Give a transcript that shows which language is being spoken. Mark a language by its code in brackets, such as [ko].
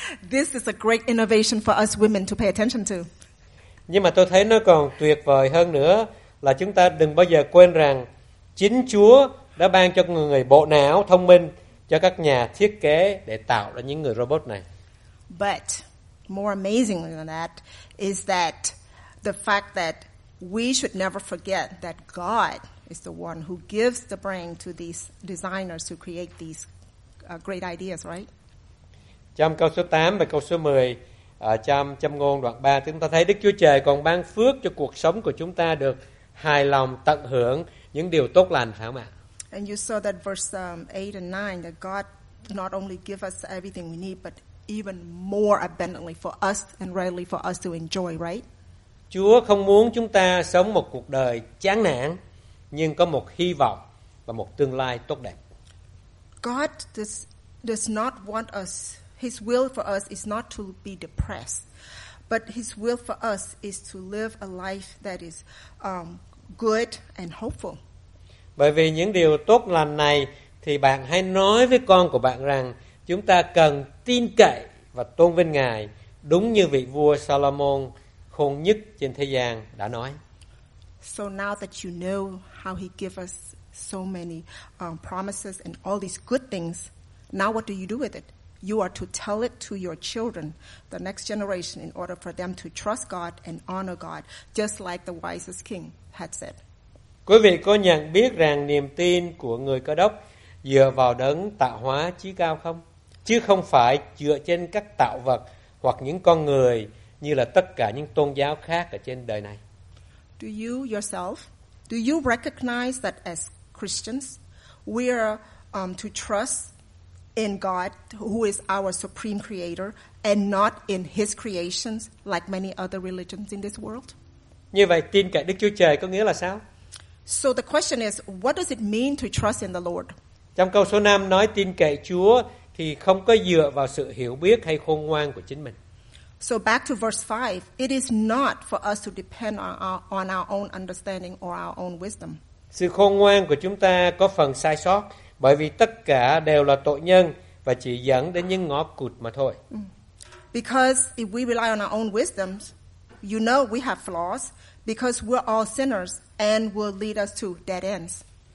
[en] This is a great innovation for us women to pay attention to. [vi] Nhưng mà tôi thấy nó còn tuyệt vời hơn nữa là chúng ta đừng bao giờ quên rằng chính Chúa đã ban cho người bộ não thông minh cho các nhà thiết kế để tạo ra những người robot này. [en] But more amazing than that is that the fact that we should never forget that God is the one who gives the brain to these designers who create these great ideas, right? [vi] Trong câu số 8 và câu số 10 trong châm ngôn đoạn 3, chúng ta thấy Đức Chúa Trời còn ban phước cho cuộc sống của chúng ta được hài lòng tận hưởng những điều tốt lành, phải không ạ? [en] And you saw that verse 8 and 9 that God not only give us everything we need but even more abundantly for us and rightly for us to enjoy, right? [vi] Chúa không muốn chúng ta sống một cuộc đời chán nản nhưng có một hy vọng và một tương lai tốt đẹp. [en] God does not want us, his will for us is not to be depressed, but his will for us is to live a life that is good and hopeful. [vi] Bởi vì những điều tốt lành này thì bạn hãy nói với con của bạn rằng chúng ta cần tin cậy và tôn vinh Ngài đúng như vị vua Solomon khôn nhất trên thế gian đã nói. [en] So now that you know how he gives us so many promises and all these good things, now what do you do with it? You are to tell it to your children, the next generation, in order for them to trust God and honor God, just like the wisest king had said. [vi] Quý vị có nhận biết rằng niềm tin của người Cơ Đốc dựa vào đấng tạo hóa chí cao không? Chứ không phải dựa trên các tạo vật hoặc những con người như là tất cả những tôn giáo khác ở trên đời này. [en] Do you recognize that as Christians, we are to trust in God, who is our supreme creator, and not in his creations like many other religions in this world? [vi] Như vậy, tin cậy Đức Chúa Trời có nghĩa là sao? [en] So the question is, what does it mean to trust in the Lord? [vi] Trong câu số 5 nói tin cậy Chúa thì không có dựa vào sự hiểu biết hay khôn ngoan của chính mình. [en] So back to verse 5, it is not for us to depend on our own understanding or our own wisdom. [vi] Sự khôn ngoan của chúng ta có phần sai sót bởi vì tất cả đều là tội nhân và chỉ dẫn đến những ngõ cụt mà thôi. [en] Because if we rely on our own wisdom, you know we have flaws because we're all sinners and will lead us to dead ends.